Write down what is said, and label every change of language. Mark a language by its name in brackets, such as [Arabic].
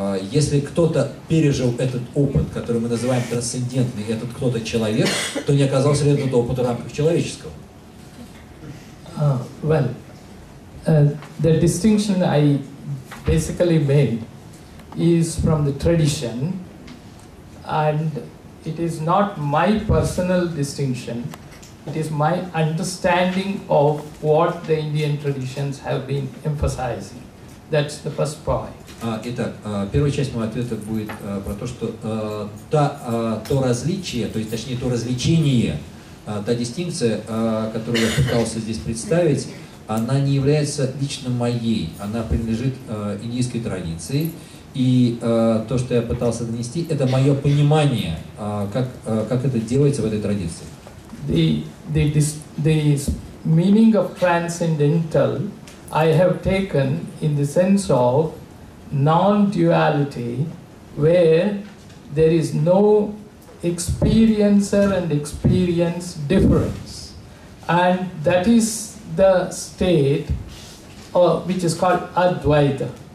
[Russian] Если кто-то пережил этот опыт, который мы называем трансцендентный, и этот кто-то человек, то не оказался ли этот опыт в рамках человеческого? [English] Well, the distinction I basically made is from the tradition, and it is not my personal distinction. It is my understanding of what the Indian traditions have been emphasizing. That's the first point. [Russian] Итак, первая часть моего ответа будет про то, что то различие, то есть точнее то развлечение, та дистинкция, которую я пытался здесь представить, она не является лично моей, она принадлежит индийской традиции. И то, что я пытался донести, это мое понимание, как это делается в этой традиции. [English] The meaning of transcendental I have taken in the sense of non-duality, where there is no experiencer and experience difference, and that is the state which is called Advaita.